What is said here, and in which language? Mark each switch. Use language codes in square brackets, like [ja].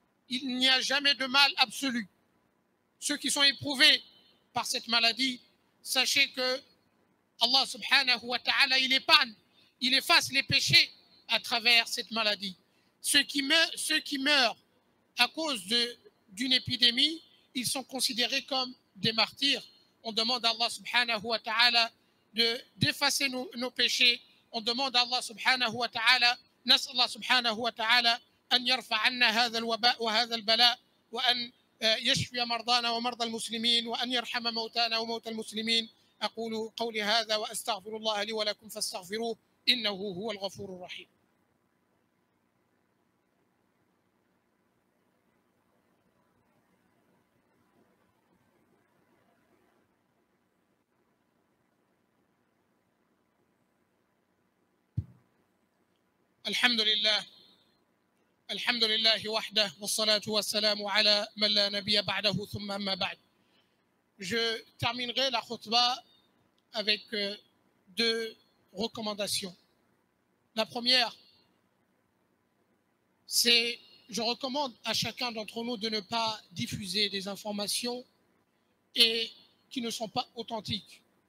[fr] Il n'y a jamais de mal absolu. Ceux qui sont éprouvés par cette maladie, sachez que Allah subhanahu wa ta'ala, il épargne, il efface les péchés à travers cette maladie. Ceux qui meurent à cause d'une épidémie, ils sont considérés comme des martyrs. On demande à Allah subhanahu wa ta'ala d'effacer nos péchés. On demande à Allah subhanahu wa ta'ala, [ar] نسأل الله سبحانه وتعالى أن يرفع عنا هذا الوباء وهذا البلاء وأن يشفي مرضانا ومرضى المسلمين وأن يرحم موتانا وموتى المسلمين أقول قولي هذا وأستغفر الله لي ولكم فاستغفروه إنه هو الغفور الرحيم. الحمد لله وحده والصلاة والسلام على من لا نبي بعده ثم أما بعد. [fr] Je terminerai la khutba avec deux recommandations. La première, c'est je recommande à chacun d'entre nous de ne pas diffuser des informations et qui ne sont pas authentiques.